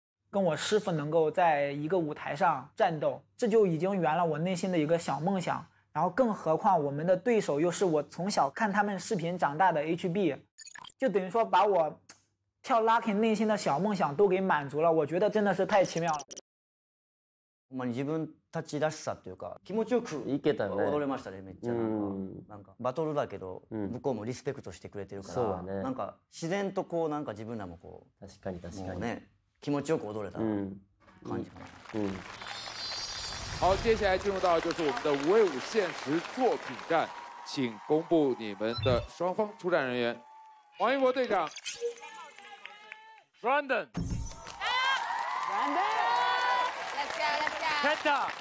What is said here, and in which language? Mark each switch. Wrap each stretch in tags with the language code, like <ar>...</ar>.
<zh>跟我师父能够在一个舞台上战斗，这就已经圆了我内心的一个小梦想。然后更何况我们的对手又是我从小看他们视频长大的 HB， 就等于说把我跳 Lucky 内心的小梦想都给满足了，我觉得真的是太奇妙了。</zh> <ja>自分たちらしさというか気持ちよく行けたね。踊れましたね、めっちゃなんかバトルだけど向こうもリスペクトしてくれてるから、そうだね。なんか自然とこうなんか自分らもこう確かに確かにね。気持ちよく踊れた感じかな。</ja> <zh>好，接下来进入到就是我们的五位五限时作品战，请公布你们的双方出战人员。王一博队长，Brandon， 加 Panda，</zh>